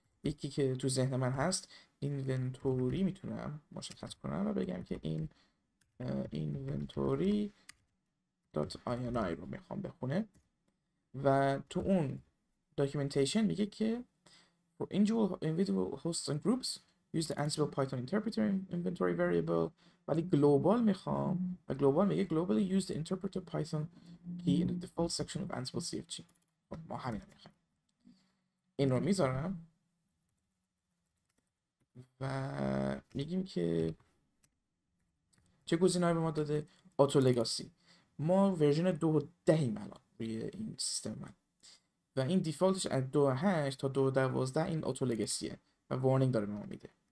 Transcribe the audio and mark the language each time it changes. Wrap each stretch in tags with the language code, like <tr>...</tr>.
<fa>یکی که تو ذهن من هست اینونتوری میتونم مشخص کنم و بگم که این اینونتوری دات آینای رو میخوام بخونه و تو اون داکیومنتیشن میگه که</fa> <en>for individual hosts and groups use the Ansible Python interpreter inventory variable.</en> <fa>ولی گلوبال میخوام و گلوبال میگه</fa> <en>globally use the interpreter Python key in the default section of Ansible CFG.</en> <fa>ما همین هم میخوایم. این رو میذارم و میگیم که چه گزینه‌ای به ما داده؟ Auto Legacy. ما ورژن 2.10 ایم الان روی این سیستم من و این دیفالتش از 2.8 تا 2.12 این Auto Legacyه و وارنینگ داره به ما میده.</fa>